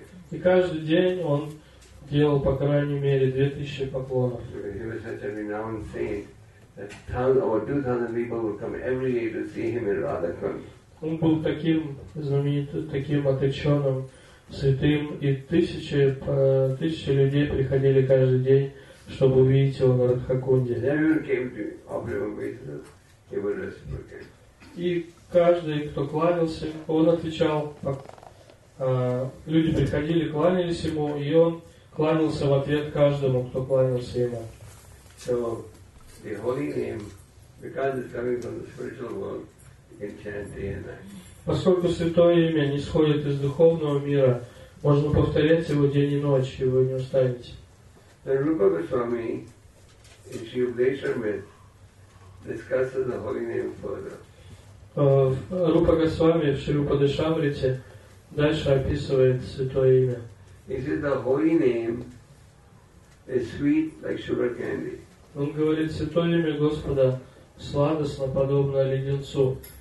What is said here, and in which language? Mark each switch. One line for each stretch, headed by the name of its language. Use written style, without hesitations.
Russian: И каждый день он делал по крайней мере 2000 поклонов.
English: He was such a renowned saint that 2000 people would come every day to see him in Radhakund.
Russian: Он был таким знаменитым, таким отеченным, святым, и тысячи людей приходили каждый день, чтобы увидеть его на Радхакунде.
English: Everyone came to offer him obeisances. He would reciprocate.
Russian: И каждый, кто кланялся, он отвечал. Люди приходили, кланялись ему, и он кланялся в ответ каждому, кто кланялся ему.
English: So, the holy name, because it's coming from the spiritual world, you can chant day and night.
Russian: Поскольку Святое Имя не исходит из духовного мира, можно повторять его день и ночь, и вы не устанете.
English: The Rupa Goswami, in Sri Yukteswarmrita, discusses the holy name further.
Russian: Рупа Госвами в Шри Упадешамрите дальше описывает Святое Имя. Он говорит, Святое Имя Господа сладостно, подобно леденцу.